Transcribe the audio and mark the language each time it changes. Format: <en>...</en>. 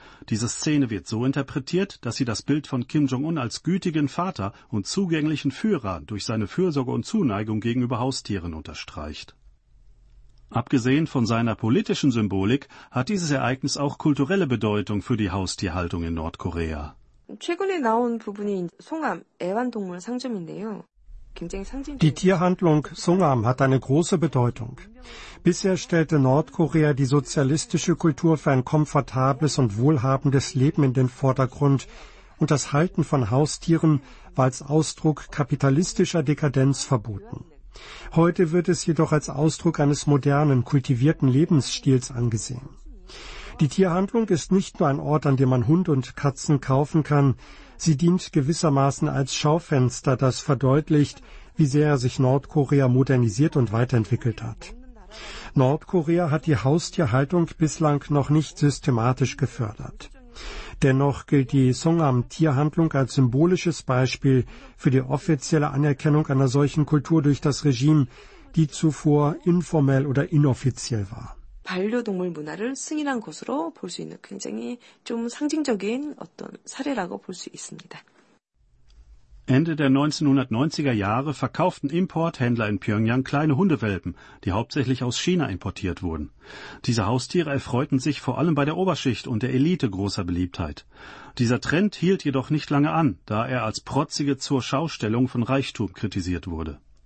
<de>Diese Szene wird so interpretiert, dass sie das Bild von Kim Jong-un als gütigen Vater und zugänglichen Führer durch seine Fürsorge und Zuneigung gegenüber Haustieren unterstreicht. Abgesehen von seiner politischen Symbolik hat dieses Ereignis auch kulturelle Bedeutung für die Haustierhaltung in Nordkorea.</de> <ko>최근에 나온 부분이 송암 애완동물 상점인데요.</ko> <de>Die Tierhandlung Songam hat eine große Bedeutung. Bisher stellte Nordkorea die sozialistische Kultur für ein komfortables und wohlhabendes Leben in den Vordergrund und das Halten von Haustieren war als Ausdruck kapitalistischer Dekadenz verboten. Heute wird es jedoch als Ausdruck eines modernen, kultivierten Lebensstils angesehen. Die Tierhandlung ist nicht nur ein Ort, an dem man Hund und Katzen kaufen kann, sie dient gewissermaßen als Schaufenster, das verdeutlicht, wie sehr sich Nordkorea modernisiert und weiterentwickelt hat. Nordkorea hat die Haustierhaltung bislang noch nicht systematisch gefördert. Dennoch gilt die Songam-Tierhandlung als symbolisches Beispiel für die offizielle Anerkennung einer solchen Kultur durch das Regime, die zuvor informell oder inoffiziell war.</de> <ko>반려동물 문화를 승인한 것으로 볼 수 있는 굉장히 좀 상징적인 어떤 사례라고 볼 수 있습니다.</ko> <de>Ende der 1990er Jahre verkauften Importhändler in Pyongyang kleine Hundewelpen, die hauptsächlich aus China importiert wurden. Diese Haustiere erfreuten sich vor allem bei der Oberschicht und der Elite großer Beliebtheit. Dieser Trend hielt jedoch nicht lange an, da er als protzige zur Schaustellung von Reichtum kritisiert wurde.</de>